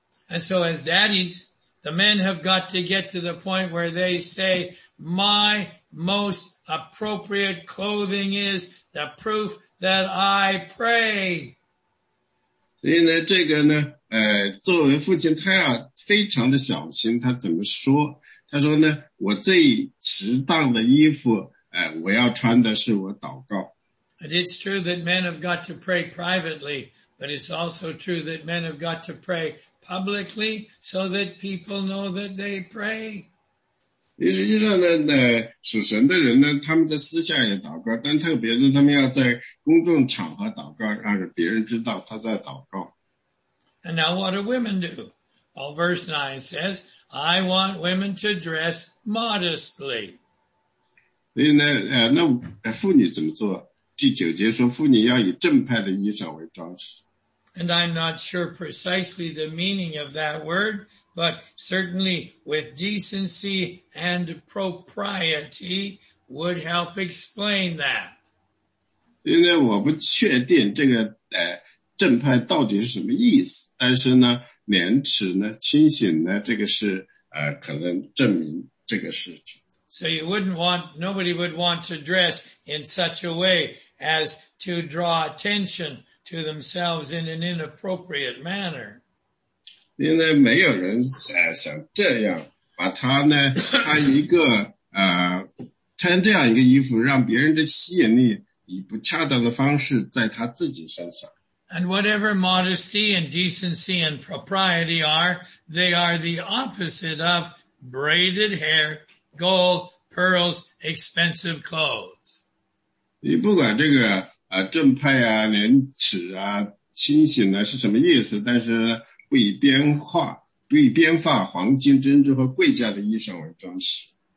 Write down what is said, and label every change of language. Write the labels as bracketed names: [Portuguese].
[English] And so as daddies, the men have got to get to the point where they say, my most appropriate clothing is the proof that I pray. [Chinese] 所以呢，这个呢， 作为父亲，他要非常的小心。他怎么说？他说呢，我最适当的衣服，我要穿的是我祷告。 [English] It's true that men have got to pray privately But it's also true that men have got to pray publicly so that people know that they pray. [Chinese] 也实际上呢，那属神的人呢，他们在私下也祷告，但特别是他们要在公众场合祷告，让别人知道他在祷告。 [English] And now what do women do? Well, verse 9 says, I want women to dress modestly. [Chinese] 所以呢，那妇女怎么做？第九节说，妇女要以正派的衣裳为装饰。 [English] And I'm not sure precisely the meaning of that word, but certainly with decency and propriety would help explain that. [Chinese] 因为我不确定这个正派到底是什么意思，但是呢，廉耻呢，清醒呢，这个是可能证明这个事情。 [English] So you wouldn't want, nobody would want to dress in such a way as to draw attention to themselves in an inappropriate manner. [Chinese] 因为没有人想这样把他呢穿一个穿这样一个衣服让别人的吸引力以不恰当的方式在他自己身上。 [English] And whatever modesty and decency and propriety are, they are the opposite of braided hair, gold, pearls, expensive clothes. [Chinese] 你不管这个正派啊、廉耻啊、清醒啊是什么意思，但是不以编发黄金、珍珠和贵价的衣裳为装饰。